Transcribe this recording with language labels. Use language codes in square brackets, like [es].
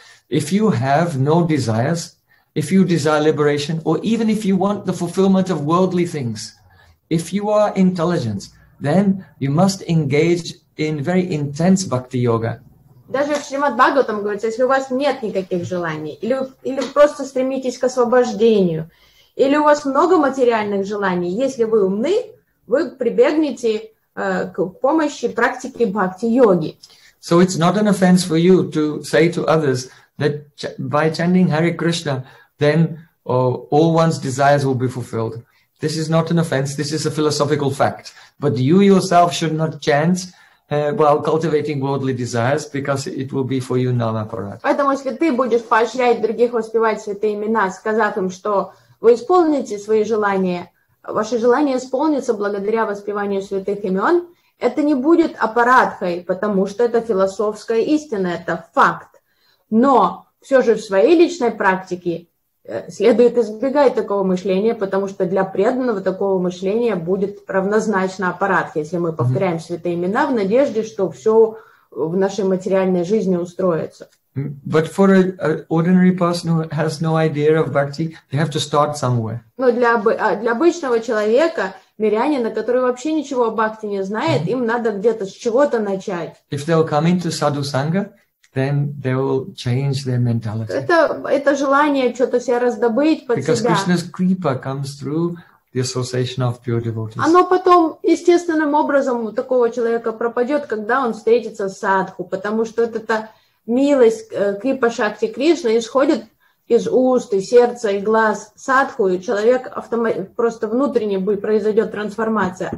[en] If you have no desires, if you desire liberation, or even if you want the fulfillment of worldly things, if you are intelligent, then you must engage in very intense bhakti yoga. [ru] Даже в Шримад Бхагаватам говорится, если у вас нет никаких желаний, или просто стремитесь к освобождению, или у вас много материальных желаний, если вы умны, вы прибегнете к помощи практики бхакти йоги. [en] So it's not an offense for you to say to others that by chanting Hare Krishna, then all one's desires will be fulfilled. This is not an offense. This is a philosophical fact. But you yourself should not chant while cultivating worldly desires, because it will be for you non-apparat. [ru] Поэтому если ты будешь поощрять других воспевать святые имена, сказав им, что вы исполните свои желания, ваше желание исполнится благодаря воспеванию святых имен, это не будет аппаратхой, потому что это философская истина, это факт. Но все же в своей личной практике следует избегать такого мышления, потому что для преданного такого мышления будет равнозначно аппаратхе, если мы повторяем святые имена в надежде, что все в нашей материальной жизни устроится. [en] But for an ordinary person who has no idea of bhakti, they have to start somewhere. [ru] Но для обычного человека, мирянина, который вообще ничего о бхакти не знает, им надо где-то с чего-то начать. [en] If they will come into sadhu sangha, then they will change their mentality. [ru] Это желание что-то себе раздобыть под себя. [en] Because Krishna's kripa comes through the association of pure devotees. [ru] Оно потом естественным образом у такого человека пропадет, когда он встретится с садху, потому что это милость Крипа Шакти Кришна исходит из уст, и сердца, и глаз садху, и человек просто внутренне произойдет трансформация.